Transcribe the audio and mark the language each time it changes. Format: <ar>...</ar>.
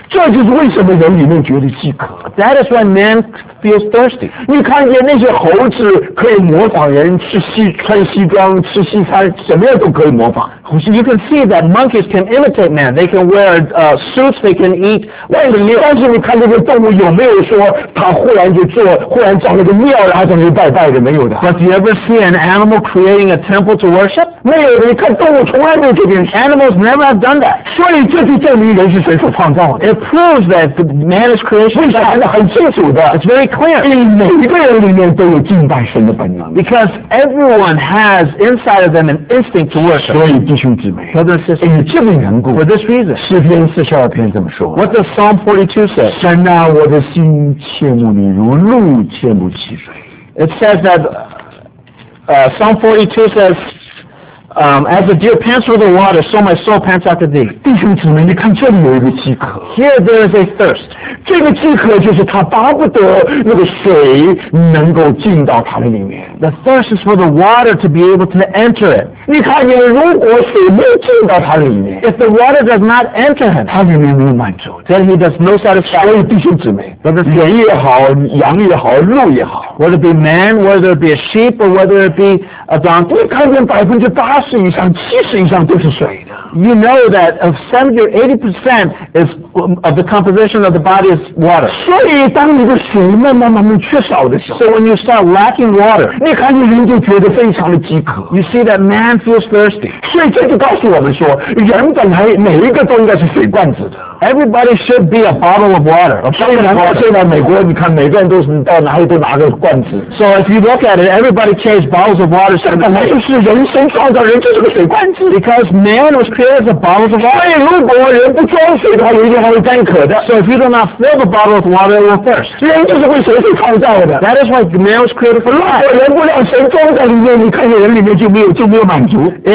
<zh>这就是为什么人里面觉得饥渴。</zh> <en>That is why man... feels thirsty.</en> <zh>你看见那些猴子可以模仿人吃西穿西装吃西餐，什么样都可以模仿。</zh> <en>You can see that monkeys can imitate man. They can wear suits. They can eat.</en> <zh>但是你看这个动物有没有说它忽然造了个庙，然后在那里拜拜的？没有的。</zh> <en>But do you ever see an animal creating a temple to worship?</en> <zh>没有的。你看动物从来没有这件事。</zh> <en>Animals never have done that.</en> <zh>所以这就证明人是谁所创造的。</zh> <en>It proves that man is creation.</en> <zh>为啥？很清楚的。</zh> <en>It's very clear.</en> <zh>因为每个人里面都有敬拜神的本能。</zh> <en>Because everyone has inside of them an instinct to worship.</en> <zh>所以兄弟们，因为这个缘故</zh> <en>，For this reason，</en> <zh>诗篇四十二篇怎么说</zh> <en>？What does Psalm 42 say？</en> <zh>神啊，我的心切慕你，如鹿切慕溪水。</zh> <en>It says that Psalm 42 says， As the deer pants for the water, so my soul pants after thee.</en> <zh>弟兄姊妹，你看这里有一个饥渴。</zh> <en>Here there is a thirst.</en> <zh>这个饥渴就是他巴不得那个水能够进到他的里面。</zh> <en>The thirst is for the water to be able to enter it.</en> <zh>你看见如果水没有进到他里面</zh> <en>，If the water does not enter him，</en> <zh>他里面没有满足</zh> <en>，Then he does no satisfaction。</en> <zh>所以弟兄姊妹，人也好，羊也好，鹿也好</zh> <en>，Whether it be man, whether it be a sheep, or whether it be a donkey，</en> <zh>你看见80%。八十以上、七十以上都是水的。</zh> <en>You know that of 70 or 80% is of the composition of the body is water.</en> <zh>所以当你的水慢慢缺少的时候</zh> <en>，So when you start lacking water，</en> <zh>你看你人就觉得非常的饥渴。</zh> <en>You see that man feels thirsty。</en> <zh>所以这就告诉我们说，人本来每一个都应该是水罐子的。</zh> <en>Everybody should be a bottle of water.</en> <zh>所以难怪现在美国，你看每个人都是到哪里都拿个罐子。</zh> <en>So if you look at it, everybody carries bottles of water.</en> <zh>这本来就是人生创造人就是个水罐子。</zh> <en>Because man was created as a bottle of water.</en> <zh>所以如果人不装水的话，有一天还会干渴的。</zh> <en>So if you do not fill the bottle of water, it will thirst.</en> <zh>人就是为水所创造的。</zh> <en>That is why man was created for life.</en> <zh>如果人不让神装在里面，你看见人里面就没有满足。</zh>